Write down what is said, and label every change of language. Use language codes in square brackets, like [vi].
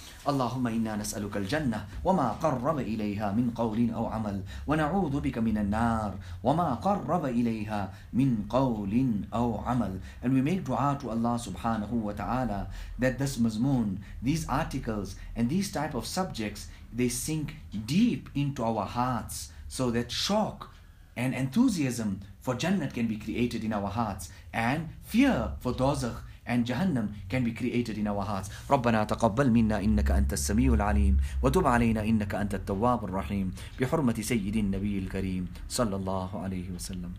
[ar] اللهم إنا نسألك الجنة وما قرب إليها من قول أو عمل ونعوذ بك من النار وما قرب إليها من قول أو عمل. [en] And we make dua to Allah subhanahu wa ta'ala that this mazmoon, these articles and these type of subjects, they sink deep into our hearts so that shock and enthusiasm for Jannat can be created in our hearts and fear for Dozakh and Jahannam can be created in our hearts. [ar] ربنا تقبل منا إنك أنت السميع العليم وتب علينا إنك أنت التواب الرحيم بحرمة سيد النبي الكريم صلى الله عليه وسلم.